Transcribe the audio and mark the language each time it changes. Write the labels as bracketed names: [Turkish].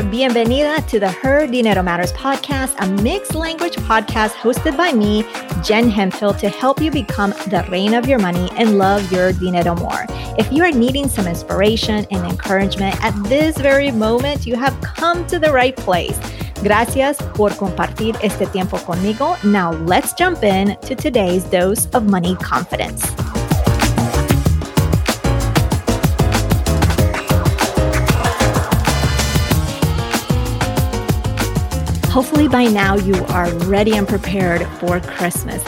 [Spanish] Bienvenida [English] to the Her Dinero Matters podcast, a mixed language podcast hosted by me, Jen Hemphill, to help you become the [Spanish] reina [English] of your money and love your [Spanish] dinero [English] more. If you are needing some inspiration and encouragement at this very moment, you have come to the right place. [Spanish] Gracias por compartir este tiempo conmigo. [English] Now let's jump in to today's dose of money confidence. Hopefully by now you are ready and prepared for Christmas.